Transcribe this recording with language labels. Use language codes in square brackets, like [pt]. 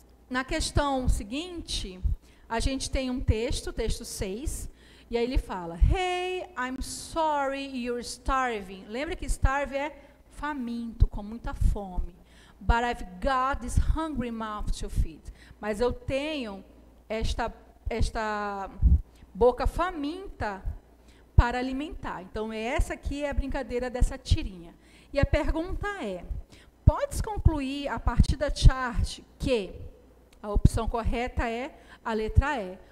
[pt] Na questão seguinte, a gente tem um texto, texto 6. E aí ele fala: [en] "Hey, I'm sorry you're starving." [pt] Lembra que starve é faminto, com muita fome. [en] "But I've got this hungry mouth to feed." [pt] Mas eu tenho esta boca faminta para alimentar. Então, essa aqui é a brincadeira dessa tirinha. E a pergunta é: pode-se concluir a partir da charge que a opção correta é a letra E?